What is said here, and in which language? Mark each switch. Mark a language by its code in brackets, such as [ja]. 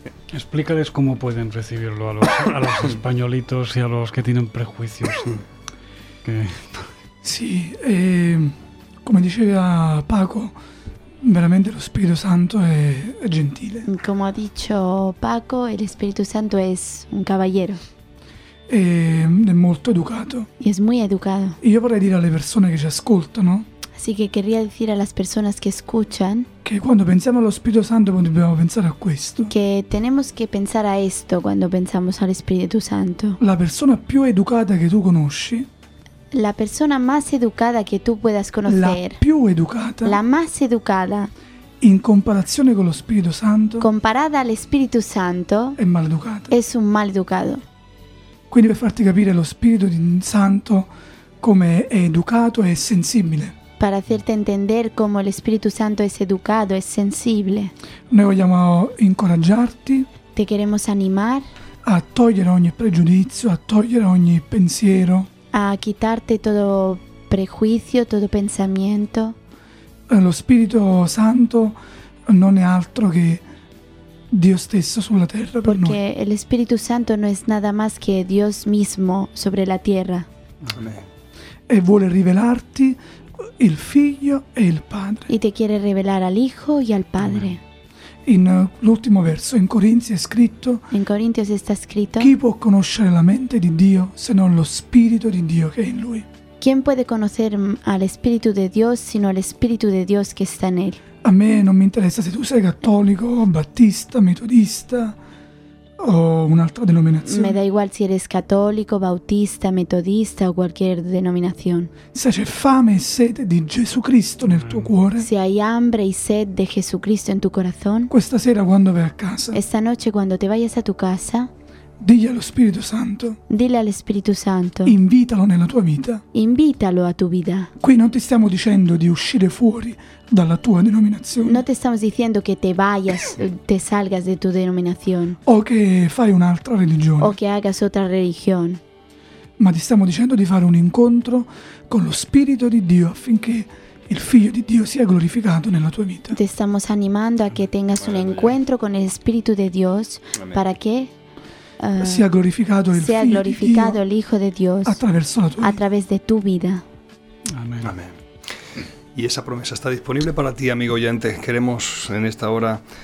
[es] Explícales cómo pueden recibirlo a los españolitos y a los que tienen prejuicios. Sí, como decía Paco, veramente el Espíritu Santo es gentil. Como ha dicho Paco, el Espíritu Santo es un caballero. [it] È molto educato. [es] Y es muy educado. Y yo [it] vorrei dire alle persone che ci ascoltano. [es] Así que querría decir a las personas que escuchan. Que cuando pensamos al Espíritu Santo, [it] dobbiamo pensare a questo. [es] Que tenemos que pensar a esto cuando pensamos al Espíritu Santo. [it] La persona più educata che tu conosci. [es] La persona más educada que tú puedas conocer. [it] La più educata. [es] La más educada. [it] In comparazione con lo Spirito Santo. [es] Comparada al Espíritu Santo. [it] È maleducata. [es] Es un mal educado. [it] Quindi per farti capire lo Spirito Santo come è educato e sensibile. [es] Para hacerte entender cómo el Espíritu Santo es educado, es sensible. [it] Noi vogliamo incoraggiarti. [es] Te queremos animar. [it] A togliere ogni pregiudizio, a togliere ogni pensiero. [es] A quitarte todo prejuicio, todo pensamiento. [it] Lo Spirito Santo non è altro che Dios stesso sulla terra per [es] Porque [it] noi. [es] El Espíritu Santo no es nada más que Dios mismo sobre la tierra. Amén. Y [it] vuole rivelarti el Figlio e el Padre. [es] Y te quiere revelar al Hijo y al Padre. Amen. [it] L'ultimo verso in Corinzi è scritto. [es] En Corintios está escrito. [it] Chi può conoscere la mente di Dio se non lo Spirito di Dio che è in lui? [es] ¿Quién puede conocer al Espíritu de Dios sino el Espíritu de Dios que está en él? [it] A me non mi interessa se tu sei cattolico, battista, metodista o un'altra denominazione. [es] Me da igual si eres católico, bautista, metodista o cualquier denominación. [it] Se c'è fame e sede di Gesù Cristo nel tuo cuore. [es] Si hay hambre y sed de Jesucristo en tu corazón. [it] Questa sera quando vai a casa. [es] Esta noche cuando te vayas a tu casa. [it] Digli allo Spirito Santo. [es] Dile al Espíritu Santo. [it] Invitalo nella tua vita. [es] Invítalo a tu vida. [it] Qui non ti stiamo dicendo di uscire fuori dalla tua denominazione. [es] No te estamos diciendo que te vayas, te salgas de tu denominación. [it] O che fai un'altra religione. [es] O que hagas otra religión. [it] Ma ti stiamo dicendo di fare un incontro con lo Spirito di Dio affinché il Figlio di Dio sia glorificato nella tua vita. [es] Te estamos animando a que tengas un encuentro con el Espíritu de Dios para que [it] sia glorificato il sia glorificato il [es] Hijo de Dios [it] attraverso la tua vita. [es] A través de tu vida. Amén. Amén. Y esa promesa está disponible para ti, amigo oyente. Queremos en esta hora